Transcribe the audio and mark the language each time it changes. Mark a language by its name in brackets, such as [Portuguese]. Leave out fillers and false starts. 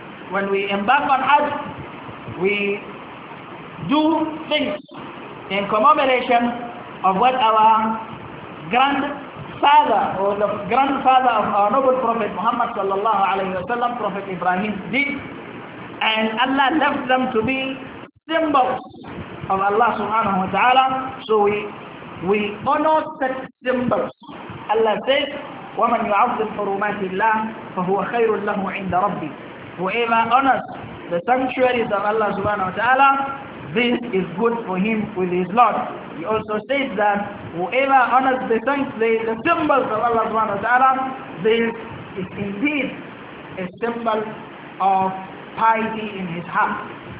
[English] When we embark on Hajj, we do things in commemoration of what our grandfather, or the grandfather of our noble Prophet Muhammad sallallahu alayhi wa sallam, Prophet Ibrahim, did. And Allah left them to be symbols of Allah subhanahu wa ta'ala. So we honor such symbols. Allah says, [Arabic] وَمَنْ يُعَظِّمْ حُرُمَاتِ اللَّهِ فَهُوَ خَيْرٌ لَهُ عِنْدَ رَبِّهِ. [English] Whoever honors the sanctuaries of Allah subhanahu wa ta'ala, this is good for him with his Lord. He also says that whoever honors the symbols of Allah subhanahu wa ta'ala, this is indeed a symbol of piety in his heart.